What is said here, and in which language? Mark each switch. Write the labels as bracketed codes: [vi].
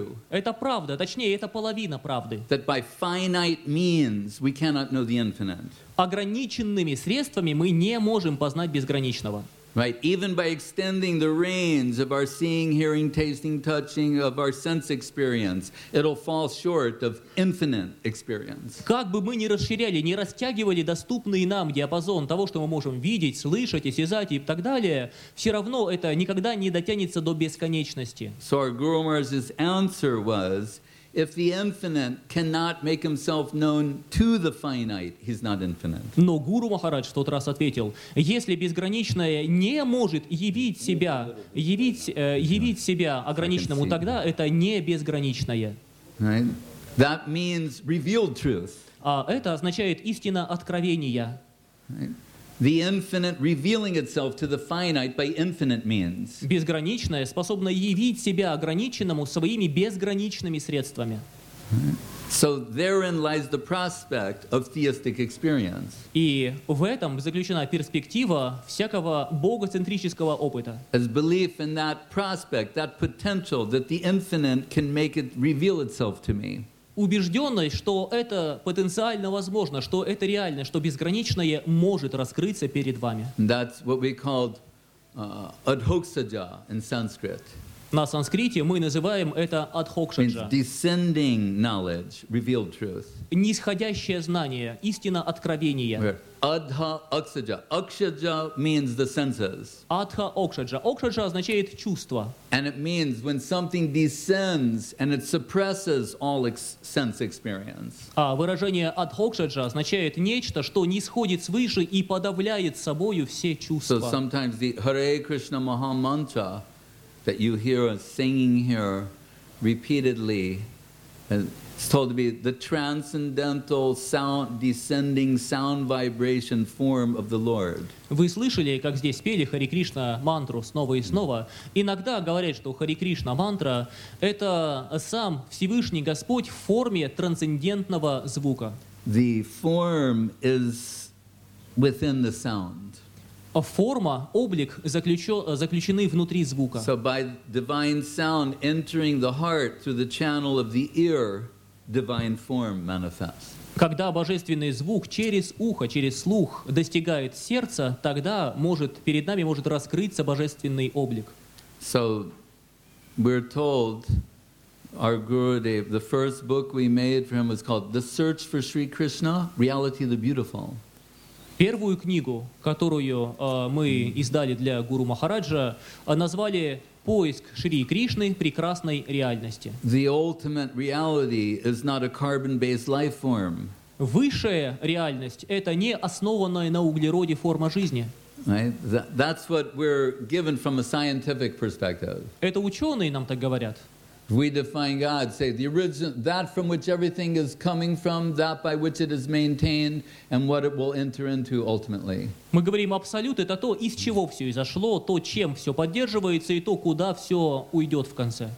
[ru] Это правда, точнее, это половина правды. [en] That by finite means we cannot know the infinite. [ru] Ограниченными средствами мы не можем познать безграничного. [en] Right, even by extending the range of our seeing, hearing, tasting, touching, of our sense experience, it'll fall short of infinite experience. [ru] Как бы мы ни расширяли, ни растягивали доступный нам диапазон того, что мы можем видеть, слышать, осязать и так далее, все равно это никогда не дотянется до бесконечности. [en] So our Guru Maharaj's answer was, if the infinite cannot make himself known to the finite, he's not infinite. [ru] Но Гуру Махарадж в тот раз ответил: если безграничное не может явить себя ограниченному, тогда это не безграничное. [en] Right? That means revealed truth. [ru] А это означает истина откровения. [en] The infinite revealing itself to the finite by infinite means. [ru] Безграничное способно явить себя ограниченному своими безграничными средствами. [en] So therein lies the prospect of theistic experience. [ru] И в этом заключена перспектива всякого богоцентрического опыта. [en] As belief in that prospect, that potential that the infinite can make it reveal itself to me. [ru] Убежденность, что это потенциально возможно, что это реально, что безграничное может раскрыться перед вами. [en] That's what we called adhoksaja in Sanskrit. [ru] На санскрите мы называем это адхокшаджа. [en] Means descending knowledge, revealed truth. [ru] Нисходящее знание, истина откровения. [en] Адха-окшаджа. Окшаджа means the senses. [ru] Адха-окшаджа. Окшаджа означает чувство. [en] And it means when something descends and it suppresses all sense experience. [ru] А выражение адхокшаджа означает нечто, что нисходит свыше и подавляет собою все чувства. [en] So sometimes the Hare Krishna Maha Mantra that you hear us singing here repeatedly, and it's told to be the transcendental sound, descending sound vibration form of the Lord. [ru] Вы слышали, как здесь пели Хари Кришна мантру снова и снова? Иногда говорят, что Хари Кришна мантра — это сам Всевышний Господь в форме трансцендентного звука. [en] The form is within the sound. [ru] Форма, облик заключены внутри звука. [en] So by divine sound entering the heart through the channel of the ear, divine form manifests. [ru] Когда божественный звук через ухо, через слух достигает сердца, тогда может перед нами может раскрыться божественный облик. [en] So we're told our Gurudev, the first book we made for him was called The Search for Sri Krishna, Reality of the Beautiful. [ru] Первую книгу, которую мы издали для Гуру Махараджа, назвали «Поиск Шри Кришны прекрасной реальности». [en] The ultimate reality is not a carbon-based life form. [ru] Высшая реальность — это не основанная на углероде форма жизни. [en] Right? That's what we're given from a scientific perspective. [ru] Это ученые нам так говорят. [en] We define God, say the origin, that from which everything is coming from, that by which it is maintained, and what it will enter into ultimately. [ru] Мы говорим абсолют — это то, из чего все изошло, то, чем все поддерживается, и то, куда все уйдет в конце.